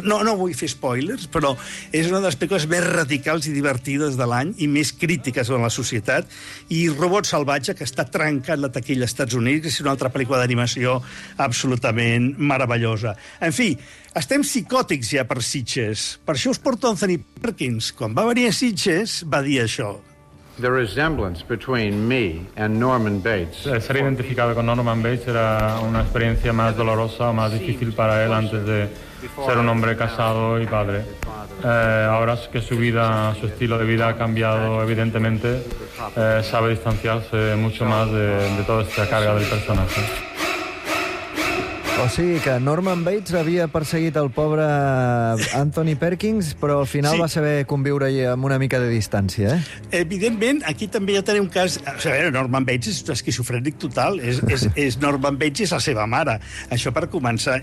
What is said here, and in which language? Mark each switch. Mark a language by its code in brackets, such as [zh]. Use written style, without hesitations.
[ca] No vull fer spoilers, però és una de les pel·lícules més radicals i divertides de l'any i més crítiques en la societat. I Robot Salvatge, que està trencant la taquilla als Estats Units, és una altra pel·lícula d'animació absolutament meravellosa. En fi, estem psicòtics ja per Sitges. Per això us porto Anthony Perkins. Quan va venir a Sitges, va dir això. [en] The resemblance between me and Norman Bates. [es] Ser identificado con Norman Bates era una experiencia más dolorosa o más difícil para él antes de ser un hombre casado y padre. Ahora que su vida, su estilo de vida ha cambiado evidentemente, sabe distanciarse mucho más de toda esta carga del personaje. [ca] O sigui que Norman Bates havia perseguit el pobre Anthony Perkins, però al final va saber conviure-hi amb una mica de distància, eh? Evidentment, aquí també ja tenim un cas... O sigui, Norman Bates és esquizofrènic total. És Norman Bates és la seva mare, això per començar.